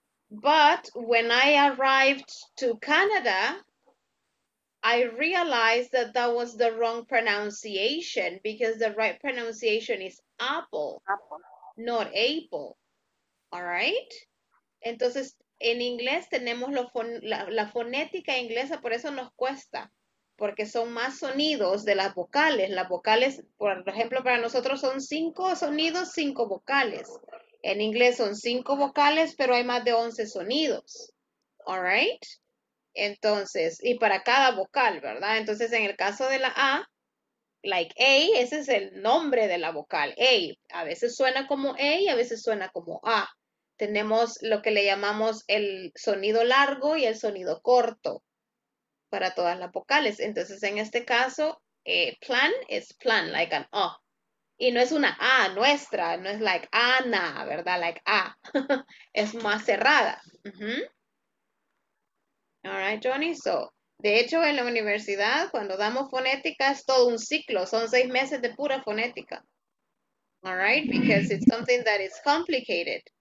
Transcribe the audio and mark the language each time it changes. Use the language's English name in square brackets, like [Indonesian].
[English] But when I arrived to Canada, I realized that that was the wrong pronunciation because the right pronunciation is apple, not apple, all right? [Spanish] Entonces, en inglés tenemos la fonética inglesa, por eso nos cuesta, porque son más sonidos de las vocales. Las vocales, por ejemplo, para nosotros son 5 sonidos, 5 vocales. En inglés son 5 vocales, pero hay más de 11 sonidos. [English] All right? [Spanish] Entonces, y para cada vocal, ¿verdad? Entonces, en el caso de la A, [English] like A, [Spanish] ese es el nombre de la vocal, A. A veces suena como A y a veces suena como A. Tenemos lo que le llamamos el sonido largo y el sonido corto para todas las vocales. Entonces, en este caso, plan es plan, [English] like an O. [Spanish] Y no es una A nuestra, no es [English] like Ana, [Spanish] ¿verdad? [English] Like A. [Spanish] Es más cerrada. [English] Uh-huh. All right, Johnny. [Spanish] So, de hecho, en la universidad, cuando damos fonética, es todo un ciclo. Son 6 meses de pura fonética. [English] All right, because it's something that is complicated.